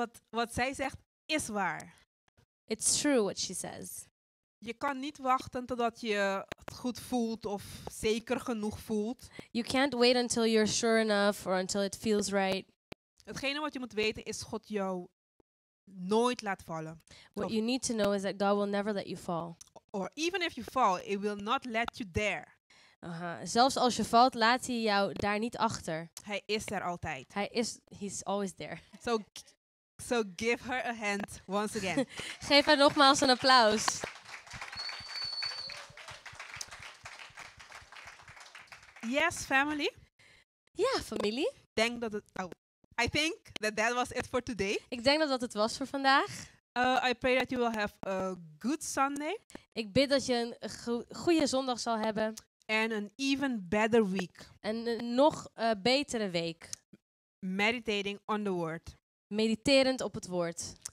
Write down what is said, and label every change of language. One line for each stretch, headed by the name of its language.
Dutch: Wat zij zegt is waar.
English: It's true what she says.
Dutch: Je kan niet wachten totdat je het goed voelt of zeker genoeg voelt.
English: You can't wait until you're sure enough or until it feels right.
Dutch: Hetgene wat je moet weten is God jou nooit laat vallen.
English: What you need to know is that God will never let you fall. Or even if you fall, it will not let you there.
Dutch: Zelfs als je valt, laat hij jou daar niet achter. Hij is er altijd.
English: He's always there. So give her a hand once again.
Dutch: Geef haar nogmaals een applaus.
English: Yes, family.
Dutch: Ja, familie.
English: I think that was it for today.
Dutch: Ik denk dat het was voor vandaag.
English: I pray that you will have a good Sunday.
Dutch: Ik bid dat je een goede zondag zal hebben.
English: And an even better week.
Dutch: En een nog betere week.
English: Meditating on the word.
Dutch: Mediterend op het woord.